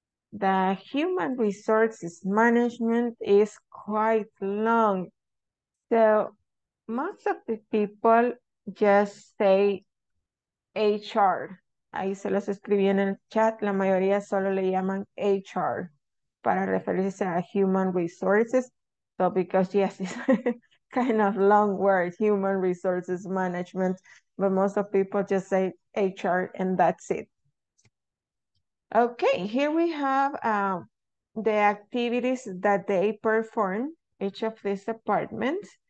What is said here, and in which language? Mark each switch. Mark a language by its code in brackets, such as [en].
[en] The human resources management is quite long. So most of the people just say HR. [es] Ahí se los escribí en el chat. La mayoría solo le llaman HR para referirse a human resources. [en] So because yes, it's kind of long word, human resources management. But most of people just say HR and that's it. Okay, here we have the activities that they perform, each of these departments.